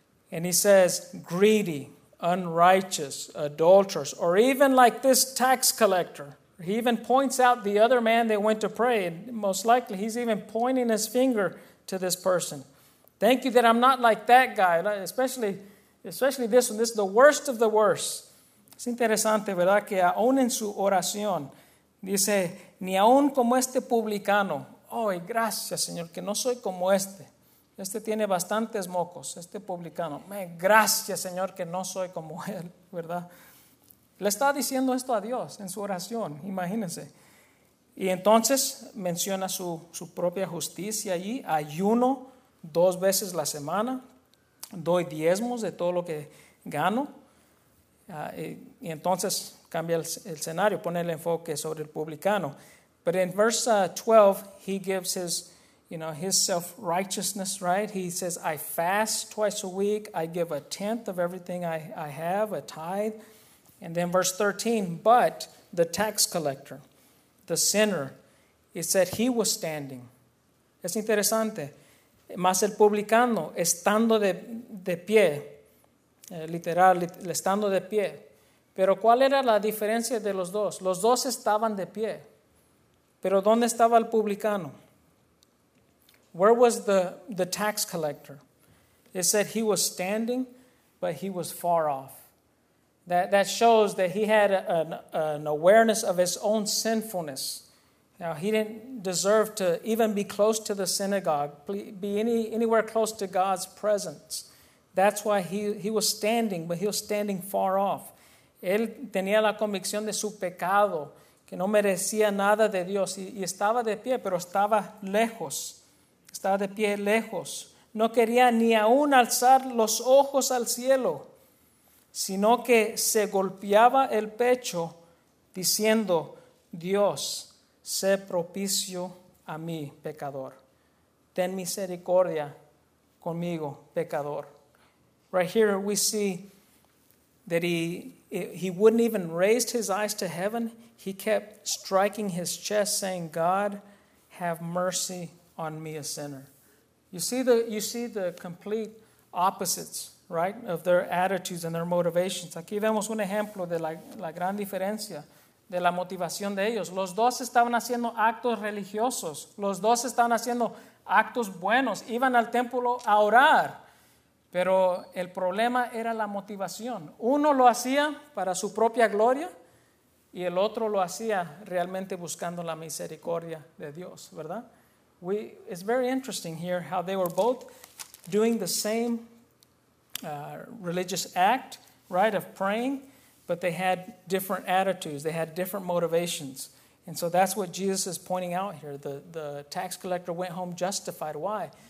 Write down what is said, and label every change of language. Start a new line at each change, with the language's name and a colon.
English: And he says, greedy, unrighteous, adulterous, or even like this tax collector. He even points out the other man that went to pray. Most likely, he's even pointing his finger to this person. Thank you that I'm not like that guy, especially this one. This is the worst of the worst.
Spanish: Es interesante, ¿verdad? Que aún en su oración, dice, ni aún como este publicano. Oh, gracias, Señor, que no soy como este. Este tiene bastantes mocos, este publicano. Gracias, Señor, que no soy como él, ¿verdad? Le está diciendo esto a Dios en su oración, imagínense. Y entonces menciona su propia justicia allí. Ayuno dos veces la semana. Doy diezmos de todo lo que gano. Y entonces cambia el escenario, pone el enfoque sobre el publicano.
English: But in verse 12, he gives his self-righteousness, right? He says, I fast twice a week. I give a tenth of everything I have, a tithe. And then verse 13, but the tax collector, the sinner, it said he was standing. Es interesante. Mas el publicano, estando de pie, literal, estando de pie. Pero ¿cuál era la diferencia de los dos? Los dos estaban de pie. Pero ¿dónde estaba el publicano? Where was the tax collector? It said he was standing, but he was far off. That shows that he had an awareness of his own sinfulness. Now, he didn't deserve to even be close to the synagogue, be anywhere close to God's presence. That's why he was standing, but he was standing far off.
Spanish: Él tenía la convicción de su pecado, que no merecía nada de Dios, y estaba de pie, pero estaba lejos. Estaba de pie lejos. No quería ni aún alzar los ojos al cielo, sino que se golpeaba el pecho diciendo, Dios, sé propicio a mí, pecador. Ten misericordia conmigo, pecador. Right here we see that he wouldn't even raise his eyes to heaven. He kept striking his chest saying, God, have mercy on me, a sinner. You see the complete opposites, right, of their attitudes and their motivations. Aquí vemos un ejemplo de la gran diferencia de la motivación de ellos. Los dos estaban haciendo actos religiosos. Los dos estaban haciendo actos buenos. Iban al templo a orar. Pero el problema era la motivación. Uno lo hacía para su propia gloria y el otro lo hacía realmente buscando la misericordia de Dios, ¿verdad?
English: It's very interesting here how they were both doing the same religious act, right, of praying, but they had different attitudes, they had different motivations. And so that's what Jesus is pointing out here. The tax collector went home justified. Why?